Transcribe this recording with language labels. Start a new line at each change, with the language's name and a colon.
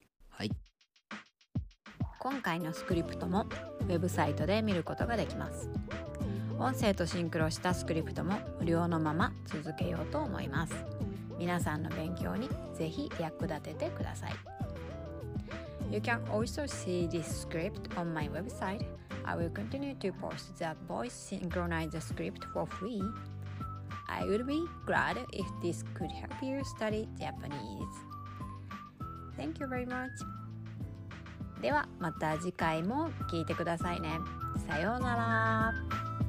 Japanese: はい。今回のスクリプトもウェブサイトで見ることができます。音声とシンクロしたスクリプトも無料のまま続けようと思います。皆さんの勉強にぜひ役立ててください。
English: You can also see this script on my website. I will continue to post the voice synchronized script for free. I would be glad if this could help you study Japanese. Thank you very much.
Japanese: ではまた次回も聞いてくださいね。さようなら。